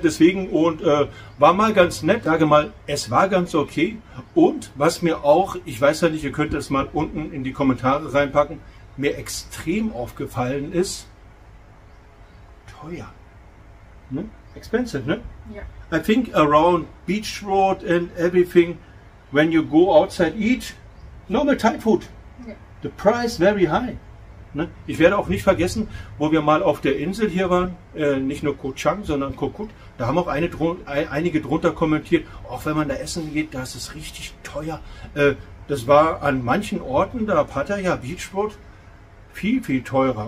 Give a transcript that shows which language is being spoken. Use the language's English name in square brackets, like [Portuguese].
[German] Deswegen, und war mal ganz nett, sage mal, es war ganz okay. Und was mir auch, ich weiß ja nicht, ihr könnt es mal unten in die Kommentare reinpacken, mir extrem aufgefallen ist, teuer. Ne? Expensive, ne? Ja. [English] I think around Beach Road and everything, when you go outside eat, normal Thai food, the price very high. [German] Ne? Ich werde auch nicht vergessen, wo wir mal auf der Insel hier waren, nicht nur Koh Chang, sondern Koh Kut, da haben auch einige drunter kommentiert, auch wenn man da essen geht, da ist es richtig teuer. Das war an manchen Orten, da Pattaya Beachwood, viel, viel teurer.